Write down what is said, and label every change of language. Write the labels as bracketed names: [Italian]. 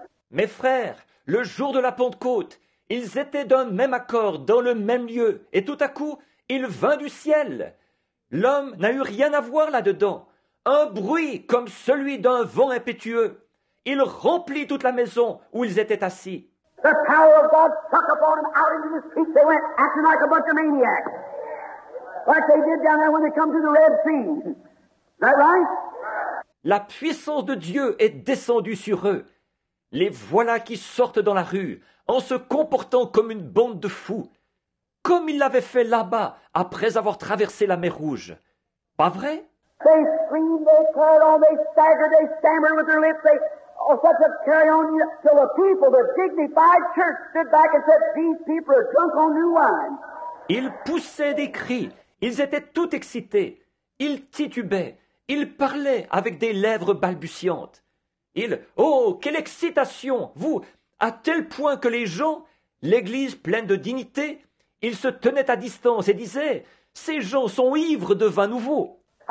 [French] Mes frères, le jour de la Pentecôte, ils étaient d'un même accord, dans le même lieu, et tout à coup, il vint du ciel. L'homme n'a eu rien à voir là-dedans. Un bruit comme celui d'un vent impétueux. Il remplit toute la maison où ils étaient assis. [English] The power of God struck upon them out into the street. They went acting like a bunch of maniacs. Like they did down there when they come to the Red Sea. Is that right? [French] La puissance de Dieu est descendue sur eux. Les voilà qui sortent dans la rue en se comportant comme une bande de fous, comme ils l'avaient fait là-bas après avoir traversé la mer Rouge. Pas vrai? [English] They screamed, they cried on, they staggered, they stammered with their lips, they all such a carry on, you know, till the people, the dignified church, stood back and said, these people are drunk on new wine. [French] Ils poussaient des cris, ils étaient tout excités, ils titubaient, ils parlaient avec des lèvres balbutiantes. Ils, oh, quelle excitation, vous, à tel point que les gens, l'église pleine de dignité, ils se tenaient à distance et disaient, ces gens sont ivres de vin nouveau.